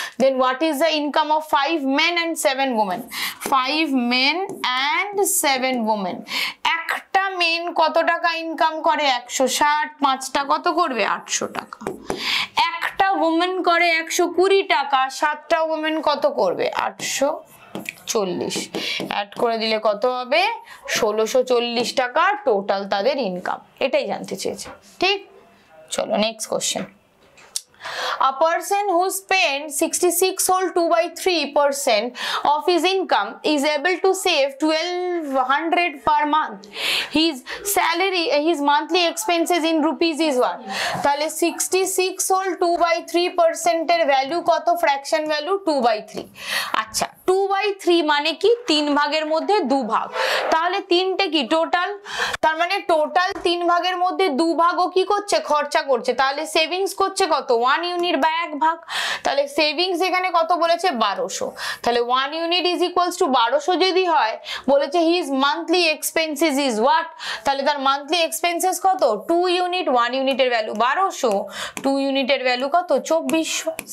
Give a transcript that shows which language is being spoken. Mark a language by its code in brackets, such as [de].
[en] then what is the income of 5 men and 7 women, [bn] 5 men and 7 women, একটা main কত টাকা income করে 160, 5টা কত করবে 800 টাকা, একটা উমেন করে 120 টাকা, 7টা উমেন কত করবে 840, অ্যাড করে দিলে কত হবে 1640 টাকা টোটাল তাদের ইনকাম, এটাই জানতে চেয়েছে, ঠিক। চলো next question. [en] A person who spends 66 whole 2/3% of his income is able to save 1200 per month. His salary, his monthly expenses in rupees is what? [bn] তাহলে 66 whole 2/3% এর ভ্যালু কত, ফ্র্যাকশন ভ্যালু 2/3। আচ্ছা, 2/3 মানে কি, 3 ভাগের মধ্যে 2 ভাগ, তাহলে 3টে কি টোটাল, তার মানে টোটাল 3 ভাগের মধ্যে 2 ভাগও কি করছে, খরচা করছে, তাহলে সেভিংস করছে কত, 1 ইউনিট বা 1 ভাগ, তাহলে সেভিংস এখানে কত বলেছে 1200, তাহলে 1 ইউনিট ইজ ইকুয়ালস টু 1200 যদি হয়, বলেছে [en] his monthly expenses is what, [bn] তাহলে তার মান্থলি এক্সপেন্সেস কত, 2 ইউনিট, 1 ইউনিটের ভ্যালু 1200, 2 ইউনিটের ভ্যালু কত, 2400।